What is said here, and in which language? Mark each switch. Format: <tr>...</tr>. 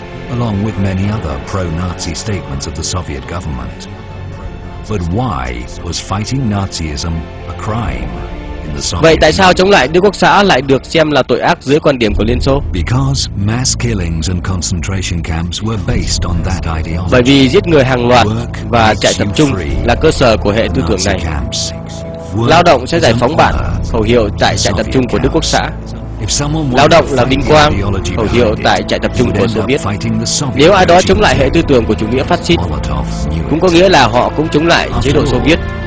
<en>Along with many other pro-Nazi statements of the Soviet government. But why was fighting Nazism a crime in the Soviet?</en> <vi>Vậy tại sao chống lại Đức Quốc xã lại được xem là tội ác dưới quan điểm của Liên Xô?</vi> <en>Because mass killings and concentration camps were based on that ideology.</en> <vi>Bởi vì giết người hàng loạt và trại tập trung là cơ sở của hệ tư tưởng này. Lao động sẽ giải phóng bạn, khẩu hiệu tại trại tập trung của Đức Quốc xã. Lao động là vinh quang, khẩu hiệu tại trại tập trung của Xô Viết. Nếu ai đó chống lại hệ tư tưởng của chủ nghĩa phát xít, cũng có nghĩa là họ cũng chống lại chế độ Xô Viết.</vi>